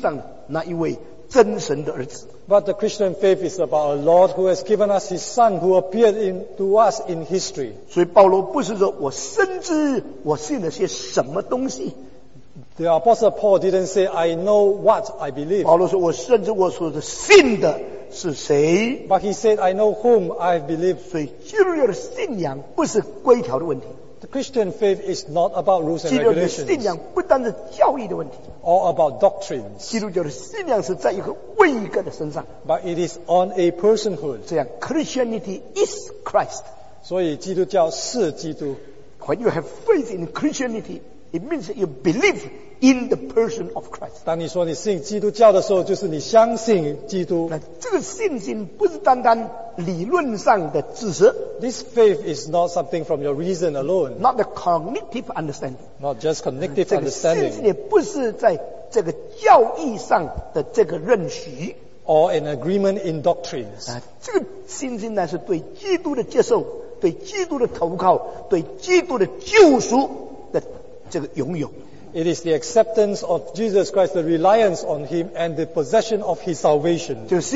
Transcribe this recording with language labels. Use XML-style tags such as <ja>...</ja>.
<zh>基督教的信仰不是信规条，是信一位神，一位把自己真理启示来的主，又把自己儿子赐下，道成肉身，成为我们救主的历史上那一位真神的儿子。</zh> <en>But the Christian faith is about a Lord who has given us His Son who appeared to us in history.</en> <zh>所以保罗不是说我深知我信了些什么东西。</zh> <en>The Apostle Paul didn't say, I know what I believe.</en> <zh>保罗说我深知我所信的是谁。</zh> <en>But he said, I know whom I believe.</en> <zh>所以基督教的信仰不是规条的问题。</zh> <en>The Christian faith is not about rules and regulations.</en> <zh>基督教的信仰不单是教义的问题。</zh> <en>Or about doctrines.</en> <zh>基督教的信仰是在一个位格的身上。</zh> <en>But it is on a personhood. 这样, Christianity is Christ.</en> <zh>所以基督教是基督。</zh> <en>When you have faith in Christianity, it means that you believe in the person of Christ.</en> <zh>当你说你信基督教的时候，就是你相信基督。那这个信心不是单单理论上的知识。</zh> <en>This faith is not something from your reason alone. Not the cognitive understanding. Not just cognitive understanding.</en> <zh>这个信心也不是在这个教义上的这个认识。</zh> <en>Or an agreement in doctrines.</en> <zh>这个信心呢，是对基督的接受，对基督的投靠，对基督的救赎的这个拥有。</zh> <en>It is the acceptance of Jesus Christ, the reliance on Him, and the possession of His salvation.</en>